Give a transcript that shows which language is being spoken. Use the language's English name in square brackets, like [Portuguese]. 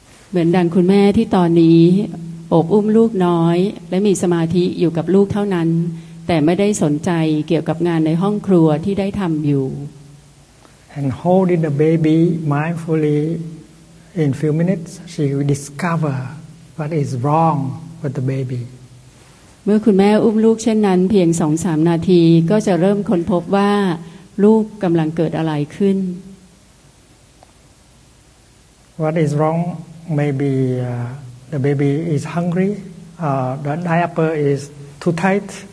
[Thai] เหมือนดังคุณแม่ที่ตอนนี้อบอุ้มลูกน้อยและมีสมาธิอยู่กับลูกเท่านั้น แต่ไม่ได้สนใจเกี่ยวกับงานในห้องครัวที่ได้ทำอยู่ [English] And holding the baby mindfully in few minutes she discovered what is wrong with the baby [Thai] เมื่อคุณแม่อุ้มลูกเช่นนั้นเพียง 2-3 นาทีก็จะเริ่มค้นพบว่าลูกกำลังเกิดอะไรขึ้น [English] What is wrong? Maybe the baby is hungry. The diaper is too tight.